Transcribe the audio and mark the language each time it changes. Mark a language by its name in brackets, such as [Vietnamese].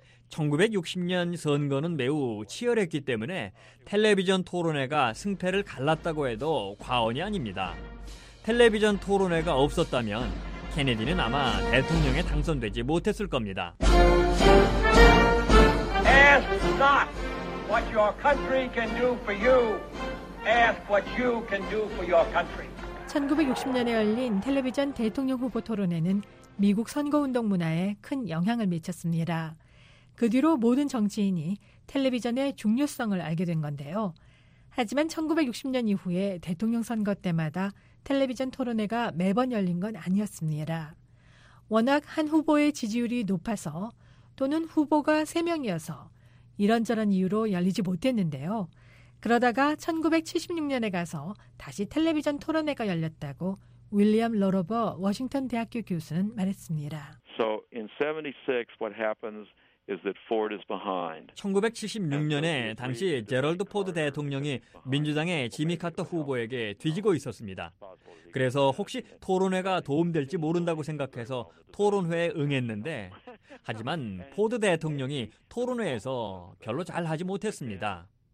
[Korean] 1960년 선거는 매우 치열했기 때문에 텔레비전 토론회가 승패를 갈랐다고 해도 과언이 아닙니다. 텔레비전 토론회가 없었다면 케네디는 아마 대통령에 당선되지 못했을 겁니다. [English] Ask not what your country can do for you. Ask what you can do for your country. [Korean] 1960년에 열린 텔레비전 대통령 후보 토론회는 미국 선거운동 문화에 큰 영향을 미쳤습니다. 그 뒤로 모든 정치인이 텔레비전의 중요성을 알게 된 건데요. 하지만 1960년 이후에 대통령 선거 때마다 텔레비전 토론회가 매번 열린 건 아니었습니다. 워낙 한 후보의 지지율이 높아서 또는 후보가 3명이어서 이런저런 이유로 열리지 못했는데요. 그러다가 1976년에 가서 다시 텔레비전 토론회가 열렸다고 윌리엄 로로버 워싱턴 대학교 교수는 말했습니다. [English] So in 76 what happens is that Ford is behind. [Korean] 1976년에 당시 제럴드 포드 대통령이 민주당의 지미 카터 후보에게 뒤지고 있었습니다. 그래서 혹시 토론회가 도움될지 모른다고 생각해서 토론회에 응했는데 하지만 포드 대통령이 토론회에서 별로 잘하지 못했습니다.